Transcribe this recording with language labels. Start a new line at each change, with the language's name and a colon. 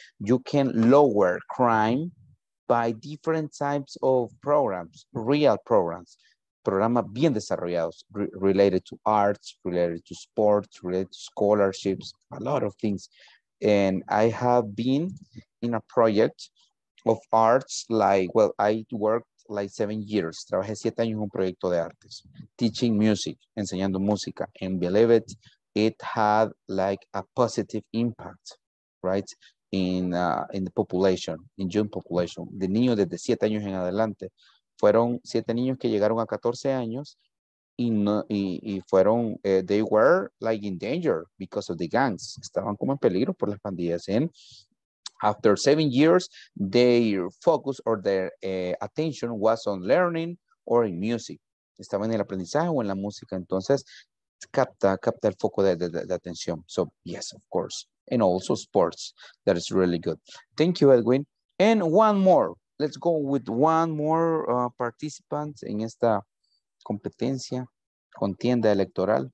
English: You can lower crime by different types of programs, real programs,
Spanish: programas bien desarrollados,
English: related to arts, related to sports, related to scholarships, a lot of things. And I have been in a project of arts, like, well, I worked like 7 years.
Spanish: Trabajé 7 años en un proyecto de artes,
English: teaching music,
Spanish: enseñando música.
English: And believe it, it had like a positive impact, right? In the population, in young population. The
Spanish: niño desde 7 años en adelante, fueron 7 niños que llegaron a 14 años y fueron,
English: they were like in danger because of the gangs.
Spanish: Estaban como en peligro por las pandillas.
English: And after 7 years, their focus or their attention was on learning or in music.
Spanish: Estaban en el aprendizaje o en la música. Entonces, capta el foco de atención.
English: So, yes, of course. And also sports. That is really good. Thank you, Edwin. And one more. Let's go with one more participant
Spanish: en esta competencia, contienda electoral.